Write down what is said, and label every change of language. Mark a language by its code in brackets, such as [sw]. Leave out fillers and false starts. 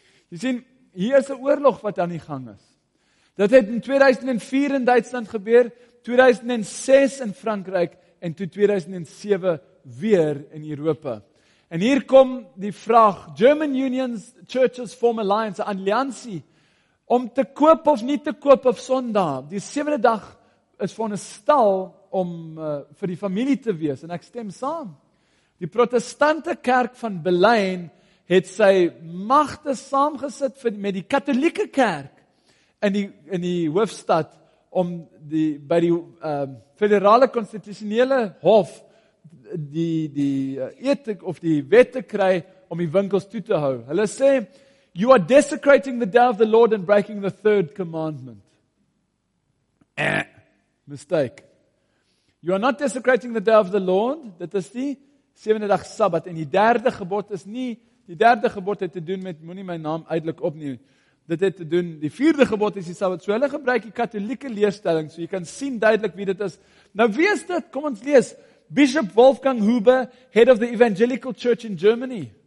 [en] You see, [af] hier is 'n oorlog wat aan die gang is. Dit het in 2004 in Duitsland gebeur, 2006 in Frankryk en toe 2007 weer in Europa. En hier kom die vraag, [en] German unions, churches form alliance, [af] alliansie, om te koop of nie te koop op Sondag. Die sewende dag is van 'n stal om vir die familie te wees en ek stem saam. Die protestante kerk van Berlyn het sy magte saamgesit met die katolieke kerk in die hoofstad om die by die federale konstitusionele hof die wet te kry om die winkels toe te hou. Hulle sê [en] you are desecrating the day of the Lord and breaking the third commandment. Mistake. You are not desecrating the day of the Lord, [af] dit is die sewende dag Sabbat en die derde gebod het te doen met moenie my naam uitelik opneem. Dit het te doen, die vierde gebod is die Sabbat. So hulle gebruik die katolieke leerstelling, so jy kan sien duidelik wie dit is. Nou wie is dit? Kom ons lees. [en] Bishop Wolfgang Huber, head of the Evangelical Church in Germany.